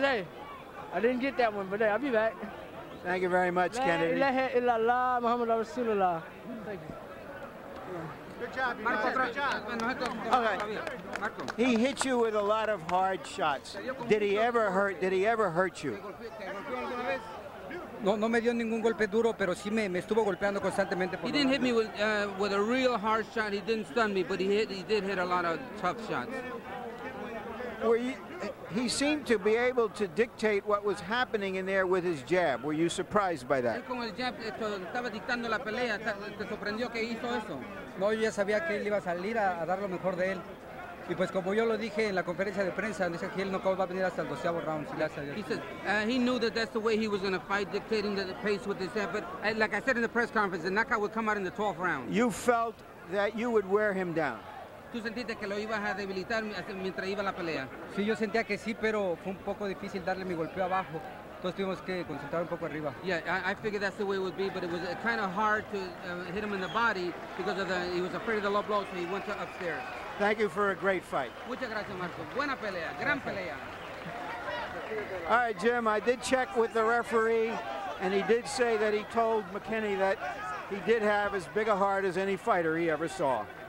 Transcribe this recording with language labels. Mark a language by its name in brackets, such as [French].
[English] Hey, I didn't get that one, but hey, I'll be back. Thank you very much, Kennedy. [Arabic] La ilaha illallah, Muhammad Rasulullah. [English] Thank you. Good job. Okay. He hit you with a lot of hard shots. Did he ever hurt you? [Spanish] No me dio ningún golpe duro, pero sí me estuvo golpeando constantemente. [English] He didn't hit me with a real hard shot. He didn't stun me, but he did hit a lot of tough shots. He seemed to be able to dictate what was happening in there with his jab. Were you surprised by that? [Spanish] Con el jab estaba dictando la pelea. ¿Te sorprendió que hizo eso? No, yo ya sabía que él iba a salir a dar lo mejor de él. Y pues como yo lo dije en la conferencia de prensa, dice que él no va a venir hasta el 12º round. [English] He says he knew that that's the way he was going to fight, dictating the pace with his head. But like I said in the press conference, the knockout would come out in the 12th round. You felt that you would wear him down. [Spanish] Tú sentiste que lo iba a debilitar mientras iba la pelea. Sí, yo sentía que sí, pero fue un poco difícil darle mi golpeo abajo. Entonces tuvimos que concentrar un poco arriba. [English] Yeah, I figured that's the way it would be, but it was kind of hard to hit him in the body because of he was afraid of the low blow, so he went upstairs. Thank you for a great fight. [Spanish] Muchas gracias, Marco. Buena pelea. Gran pelea. [English] All right, Jim, I did check with the referee, and he did say that he told McKinney that he did have as big a heart as any fighter he ever saw.